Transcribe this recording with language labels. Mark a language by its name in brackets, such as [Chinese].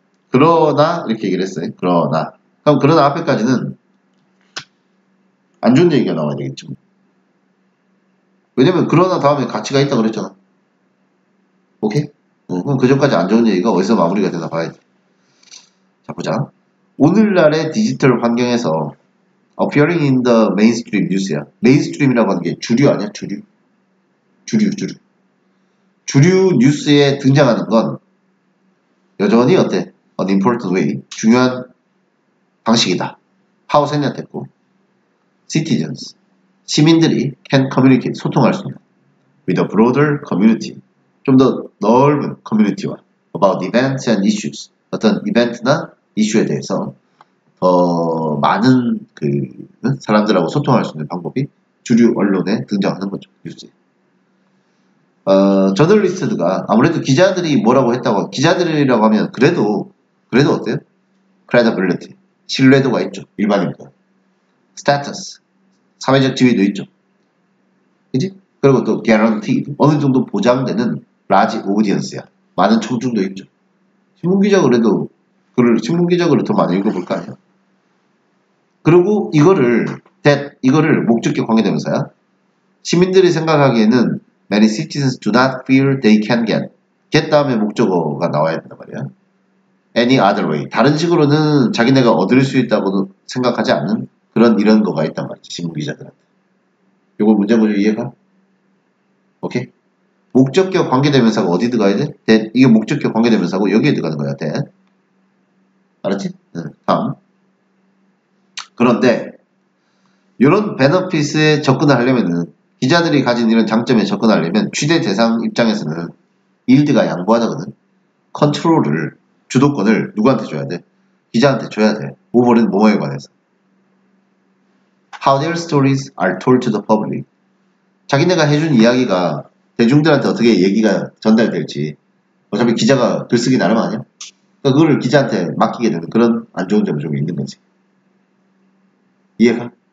[Korean] 그러나, 이렇게 얘기를 했어요. 그러나. 그럼 그러나 앞에까지는 안 좋은 얘기가 나와야 되겠죠. 왜냐면 그러나 다음에 가치가 있다 그랬잖아. 오케이? 그럼 그전까지 안 좋은 얘기가 어디서 마무리가 되나 봐야지. 자, 보자. 오늘날의 디지털 환경에서 [English] appearing in the mainstream news야. [Korean] mainstream이라고 하는 게 주류 아니야? 주류. 주류, 주류. 주류 뉴스에 등장하는 건 여전히 어때? [English] an important way. [Korean] 중요한 방식이다. [English] how [Korean] 생략됐고. [English] citizens. [Korean] 시민들이 [English] can communicate. [Korean] 소통할 수 있는. [English] with a broader community. [Korean] 좀더 넓은 커뮤니티와 [English] about events and issues. [Korean] 어떤 이벤트나 이슈에 대해서 더 많은 사람들하고 소통할 수 있는 방법이 주류 언론에 등장하는 거죠. 뉴스에. 저널리스트가 아무래도 기자들이 뭐라고 했다고 기자들이라고 하면 그래도 어때요? credibility 신뢰도가 있죠. 일반인보다. status 사회적 지위도 있죠. 그지? 그리고 또 guaranteed 어느 정도 보장되는 [English] large audience [Korean] 야. 많은 청중도 있죠. 신문기자 그래도 글을 신문기자 글을 더 많이 읽어볼 거 아니야. 그리고 이거를 목적격 관계대명사야. 시민들이 생각하기에는 [English] many citizens do not feel they can get [Korean] 다음에 목적어가 나와야 된단 말이야. [English] any other way [Korean] 다른 식으로는 자기네가 얻을 수 있다고 생각하지 않는 그런 이런 거가 있단 말이지. 신문 기자들한테 요거 문장 구조 이해가? 오케이? 목적격 관계대명사가 어디 들어가야 돼? 이게 목적격 관계대명사고 여기에 들어가는 거야. 알았지? 다음. 그런데 이런 베너피스에 접근을 하려면은 기자들이 가진 이런 장점에 접근하려면 취재 대상 입장에서는 일드가 양보하자거든. 컨트롤을 주도권을 누구한테 줘야 돼? 기자한테 줘야 돼. 오버는 뭐에 관해서? [English] How their stories are told to the public. [Korean] 자기네가 해준 이야기가 대중들한테 어떻게 얘기가 전달될지. 어차피 기자가 글쓰기 나름 아니야? 그거를 기자한테 맡기게 되는 그런 안 좋은 점이 좀 있는 거지. 이해가?